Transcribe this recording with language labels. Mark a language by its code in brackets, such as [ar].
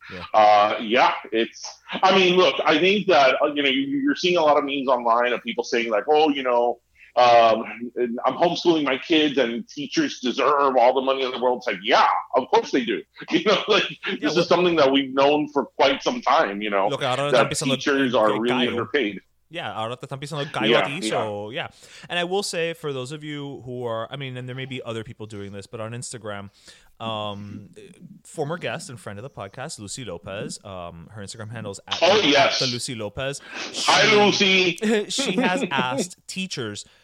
[en] Yeah. I think that, you know, you're seeing a lot of memes online of people saying like, "Oh, you know, I'm homeschooling my kids and teachers deserve all the money in the world." It's like, yeah, of course they do. You know, like, this is something that we've known for quite some time, you know, that teachers are really underpaid. Yeah, [es] ahora te están pisando el gallo aquí, [en] so yeah. And I will say, for those of you who are, I mean, and there may be other people doing this, but on Instagram, former guest and friend of the podcast, Lucy Lopez, her Instagram handle is @ the Lucy Lopez. Hi, Lucy. She has asked teachers